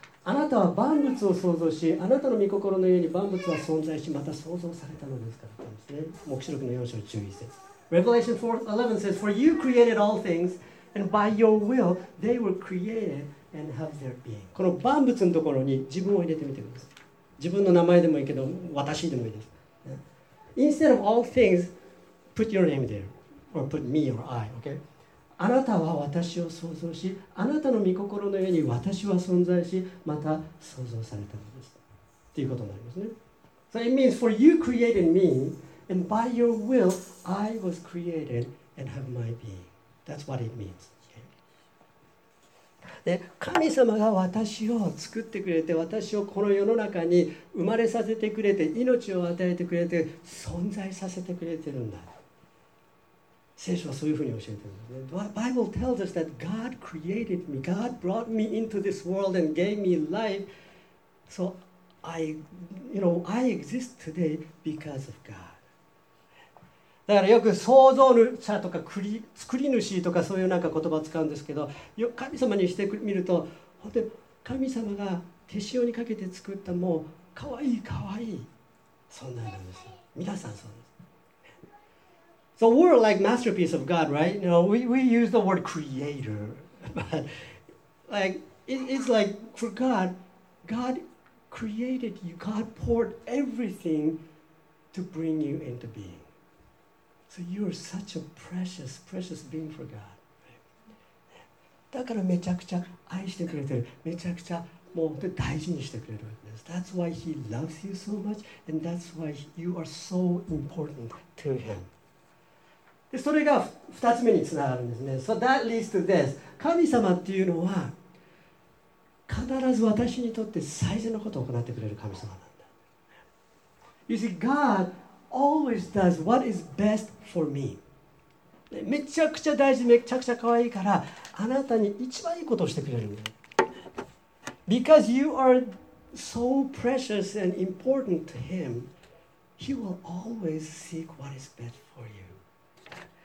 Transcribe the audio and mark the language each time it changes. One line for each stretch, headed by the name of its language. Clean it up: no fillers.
Japanese: あなたは万物を創造し、あなたの御心の上に万物は存在し、また創造されたのですからですね。黙示録の4章11節。
English: Revelation 4:11 says, For you created all things, and by your will they were createdAnd have their being.
Japanese: この万物のところに自分を入れてみてください。自分の名前でもいいけど、私でもいいです。
English: Instead of all things, put your name there, or put me or I, okay?
Japanese: あなたは私を創造し、あなたの御心の上に私は存在し、また創造されたのですっていうことになりますね。
English: So it means, for you created me, and by your will I was created and have my being. That's what it means.
Japanese: で、神様が私を作ってくれて、私をこの世の中に生まれさせてくれて、命を与えてくれて、存在させてくれてるんだ。聖書はそういうふうに教えてるんですね。
English: The Bible tells us that God created me. God brought me into this world and gave me life. So I exist today because of God.
Japanese: だからよく創造者とか作り主とか、そういうなんか言葉を使うんですけど、神様にしてみると、本当に神様が手塩にかけて作った、もうかわいいかわいい、そんなんです。皆さんそうです。
English: So we're like masterpiece of God, right? You know, we use the word creator, but like, it's like for God, God created you, God poured everything to bring you into being. So you're such a precious, precious being for God.
Japanese: だからめちゃくちゃ愛してくれてる。めちゃくちゃもう大事にしてくれるわけです。
English: That's why he loves you so much, and that's why you are so important to him.
Japanese: で、それが二つ目につながるんですね。
English: So that leads to this.
Japanese: 神様っていうのは、必ず私にとって最善のことを行ってくれる神様なんだ。
English: You see, God... Always does what is best for me.
Japanese: めちゃくちゃ大事、めちゃくちゃ可愛いから、あなたに一番いいことをしてくれるんだ。
English: Because you are so precious and important to him, he will always seek what is best for you.